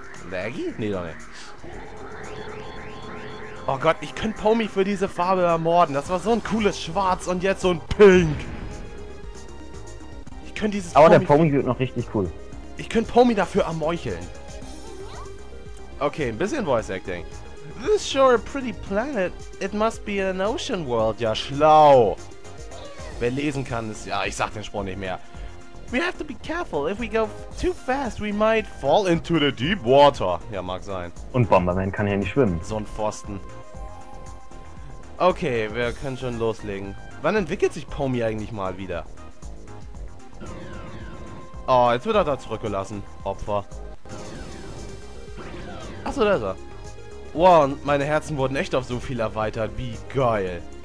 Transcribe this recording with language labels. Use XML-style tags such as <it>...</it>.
<de>Laggy? Nee, doch nicht. Oh Gott, ich könnte Pomi für diese Farbe ermorden. Das war so ein cooles Schwarz und jetzt so ein Pink. Ich könnte dieses Aber Pomi... Aber der Pomi wird noch richtig cool. Ich könnte Pomi dafür ermeucheln. Okay, ein bisschen Voice Acting.</de> <en>This is sure a pretty planet. It must be an ocean world.</en> <de>Ja, schlau. Wer lesen kann, ist... Ja, ich sag den Spruch nicht mehr.</de> <en>We have to be careful. If we go too fast, we might fall into the deep water.</en> <de>Ja, mag sein. Und Bomberman kann ja nicht schwimmen. So ein Pfosten. Okay, wir können schon loslegen. Wann entwickelt sich Pomi eigentlich mal wieder? Oh, jetzt wird er da zurückgelassen. Opfer. Achso, da ist er. Wow, meine Herzen wurden echt auf so viel erweitert. Wie geil.</de>